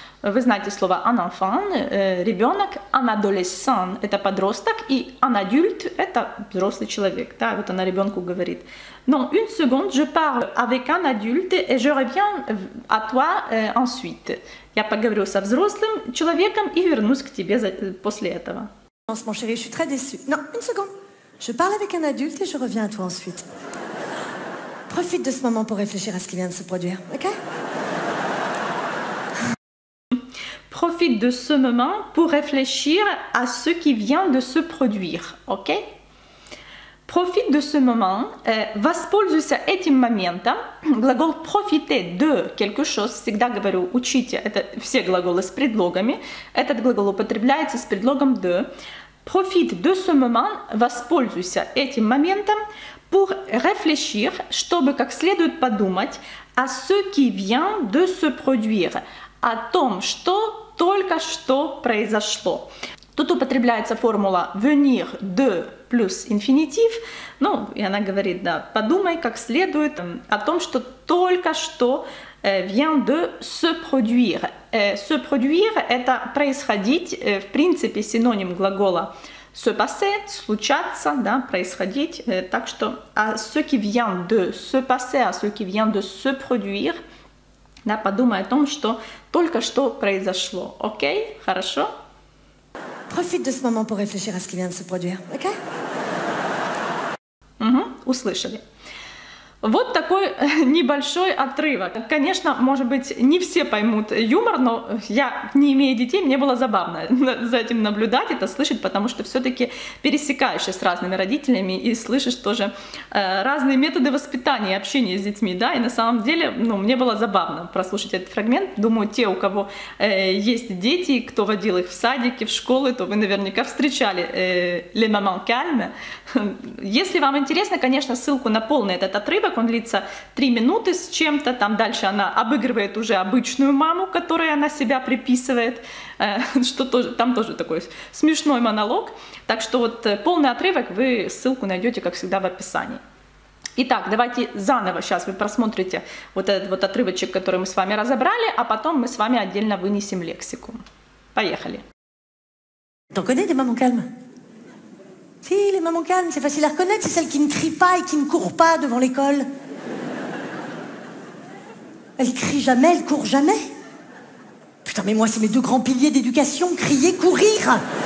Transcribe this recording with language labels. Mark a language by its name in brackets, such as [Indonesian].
[Russian] Вы знаете слово «un enfant» – ребенок, «un adolescent» – это подросток, и «un adulte» – это взрослый человек. Да, вот она ребенку говорит. [French] Non, une seconde, je parle avec un adulte et je reviens à toi ensuite. [Russian] Я поговорю со взрослым человеком и вернусь к тебе после этого. [French] Non, mon chéri, je suis très déçue. Non, une seconde. Je parle avec un adulte et je reviens à toi ensuite. Profite de ce moment pour réfléchir à ce qui vient de se produire, ok? Profite de ce moment pour réfléchir à ce qui vient de se produire, ok? Profite de ce moment. [Russian] Воспользуйся этим моментом. Глагол profiter de quelque chose. Всегда говорю, учите. Это все глаголы с предлогами. Этот глагол употребляется с предлогом de. [French] Profite de ce moment. [Russian] Воспользуйся этим моментом. [French] Pour réfléchir, [Russian] чтобы как следует подумать, [French] à ce qui vient de se produire. [Russian] О том, что только что произошло. Тут употребляется формула venir de плюс инфинитив. Ну, и она говорит, да, подумай как следует о том, что только что [French] vient de se produire. [Russian] Se produire – это происходить, в принципе, синоним глагола se passer, случаться, да, происходить. Так что [French] à ce qui vient de se passer, à ce qui vient de se produire, [Russian] да, подумай о том, что только что произошло. Окей? Хорошо? [French] Profite de ce moment pour réfléchir à ce qui vient de se produire, ok? [Russian] Угу, услышали. Вот такой небольшой отрывок. Конечно, может быть, не все поймут юмор, но я, не имея детей, мне было забавно за этим наблюдать, это слышать, потому что все-таки пересекаешься с разными родителями и слышишь тоже разные методы воспитания и общения с детьми, да, и на самом деле, ну, мне было забавно прослушать этот фрагмент. Думаю, те, у кого есть дети, кто водил их в садики, в школы, то вы наверняка встречали «Les mamans calmes». Если вам интересно, конечно, ссылку на полный этот отрывок. Он длится 3 минуты с чем-то, там дальше она обыгрывает уже обычную маму, которой она себя приписывает, что тоже, там тоже такой смешной монолог. Так что вот полный отрывок вы ссылку найдете, как всегда, в описании. Итак, давайте заново сейчас вы просмотрите вот этот вот отрывочек, который мы с вами разобрали, а потом мы с вами отдельно вынесем лексику. Поехали. [French] Donc on est des mamans calmes. Si, les mamans calmes, c'est facile à reconnaître, c'est celles qui ne crient pas et qui ne courent pas devant l'école. Elles crient jamais, elles courent jamais. Putain, mais moi, c'est mes deux grands piliers d'éducation, crier, courir.